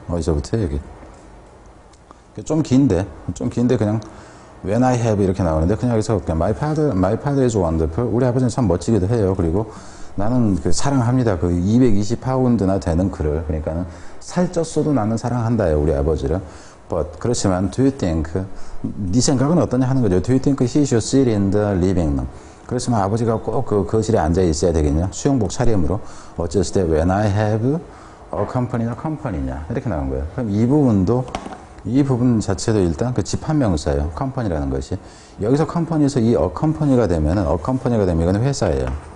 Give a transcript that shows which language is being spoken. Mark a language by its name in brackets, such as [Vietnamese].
[Korean] 어디서부터 여기 좀 긴데 그냥 [English] when I have [Korean] 이렇게 나오는데 그냥 여기서 그냥 [English] my father is wonderful. [Korean] 우리 아버지는 참 멋지기도 해요. 그리고 나는 그 사랑합니다. 그 220파운드나 되는 그를. 그러니까 살쪘어도 나는 사랑한다요 우리 아버지를. But, 그렇지만, [English] do you think, [Korean] 네 생각은 어떠냐 하는 거죠. [English] Do you think he should sit in the living room? [Korean] 그렇지만 아버지가 꼭 그 거실에 앉아 있어야 되겠냐? 수영복 차림으로. 어쨌을 때, [English] when I have a company [Korean] 나 company냐? 이렇게 나온 거예요. 그럼 이 부분 자체도 일단 그 집합명사예요. company라는 것이. 여기서 company에서 이 a company가 되면 이건 회사예요.